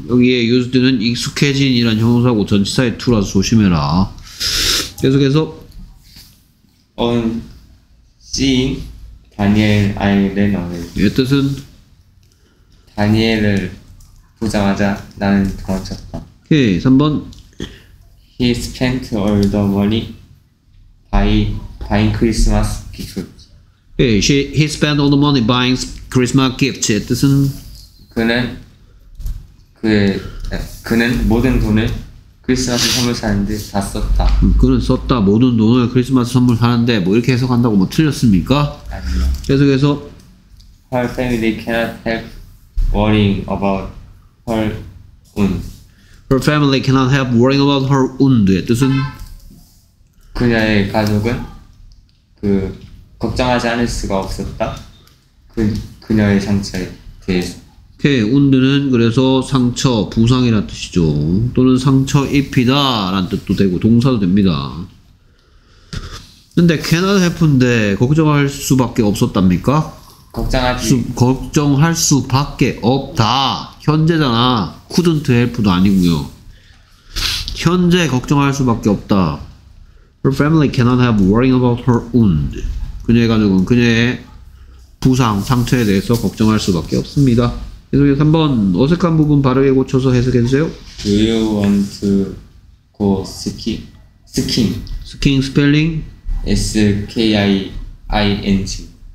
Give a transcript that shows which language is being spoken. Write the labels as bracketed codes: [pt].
[ko] 여기에 used는 익숙해진 이란 형용사고 전치사의 to라서 조심해라. 계속해서 [en] on seeing Daniel I ran away. [ko] 예, 뜻은 다니엘을 보자마자 나는 도망쳤다. 오케이. 3번 [en] He spent all the money buying Christmas gifts. Hey, he spent all the money buying Christmas gifts. [ko] 뜻은 그는 모든 돈을 크리스마스 선물 사는데 다 썼다. 그는 썼다 모든 돈을 크리스마스 선물 사는데 뭐 이렇게 해석한다고 뭐 틀렸습니까? 아니요. 계속해서 [en] Her family cannot help worrying about her wound. Her family cannot help worrying about her wound. [ko] 뜻은 그녀의 가족은 걱정하지 않을 수가 없었다. 그녀의 상처에 대해서. 오케이, 운드는 그래서 상처, 부상이란 뜻이죠. 또는 상처 입히다 라는 뜻도 되고 동사도 됩니다. 근데 cannot help인데 걱정할 수밖에 없었답니까? 걱정할 수밖에 없다. 현재잖아. couldn't help도 아니고요. 현재 걱정할 수밖에 없다. [en] Her family cannot help worrying about her wound. [ko] 그녀의 가족은 그녀의 부상, 상처에 대해서 걱정할 수밖에 없습니다. 계속해서 한번 어색한 부분 바르게 고쳐서 해석해주세요. [en] Do you want to go skiing? Skiing. Skiing spelling? S-K-I-I-N-G.